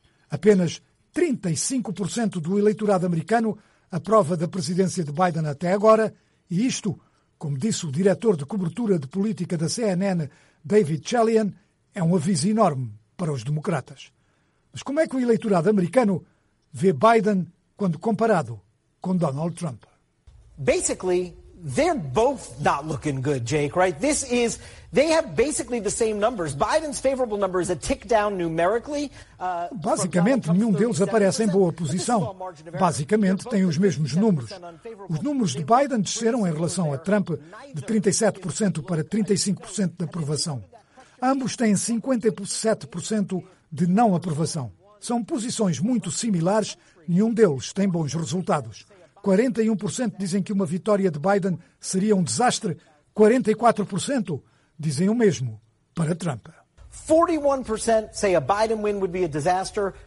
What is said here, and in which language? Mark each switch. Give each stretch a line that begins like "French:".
Portuguese: Apenas 35% do eleitorado americano aprova da presidência de Biden até agora, e isto, como disse o diretor de cobertura de política da CNN, David Chalian, é um aviso enorme para os democratas. Mas como é que o eleitorado americano vê Biden quando comparado com Donald Trump?
English: Basically, they're both not looking good, Jake, right? This is, they have basically the same numbers. Biden's favorable number is a tick down numerically.
Portuguese: Basicamente, nenhum deles aparece em boa posição. Basicamente, têm os mesmos números. Os números de Biden desceram em relação a Trump de 37% para 35% de aprovação. Ambos têm 57% de não aprovação. São posições muito similares, nenhum deles tem bons resultados. 41% dizem que uma vitória de Biden seria um desastre, 44% dizem o mesmo para Trump.
English: 41% say a Biden win would be a disaster.